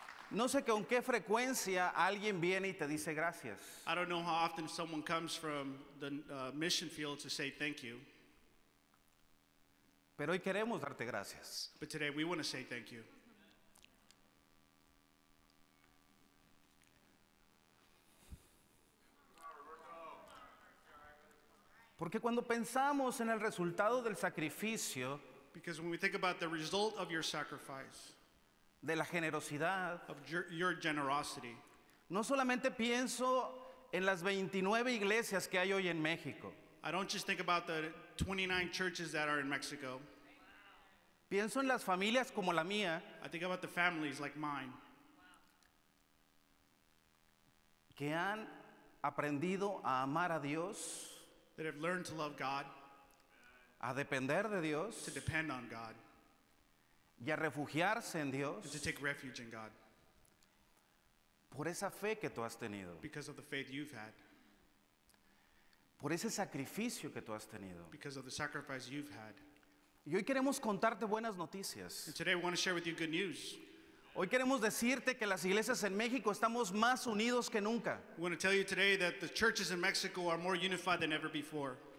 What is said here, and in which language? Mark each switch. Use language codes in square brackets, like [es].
[es] No sé con qué frecuencia alguien viene y te dice gracias. [en] I don't know how often someone comes from the mission field to say thank you. [es] Pero hoy queremos darte gracias. [en] But today we want to say thank you. [es] Porque cuando pensamos en el resultado del sacrificio, [en] because when we think about the result of your sacrifice, [es] de la generosidad, [en] of your generosity, [es] no solamente pienso en las 29 iglesias que hay hoy en México. [en] I don't just think about the 29 churches that are in Mexico. [es] Pienso en las familias como la mía. [en] I think about the families like mine. [es] Que han aprendido a amar a Dios, [en] that have learned to love God, [es] a depender de Dios, [en] to depend on God, [es] y a refugiarse en Dios, [en] and to take refuge in God, [es] por esa fe que tú has tenido, [en] because of the faith you've had, [es] por ese sacrificio que tú has tenido, [en] because of the sacrifice you've had. [es] Y hoy queremos contarte buenas noticias. [en] And today we want to share with you good news. [es] Hoy queremos decirte que las iglesias en México estamos más unidos que nunca. [en] We want to tell you today that the churches in Mexico are more unified than ever before.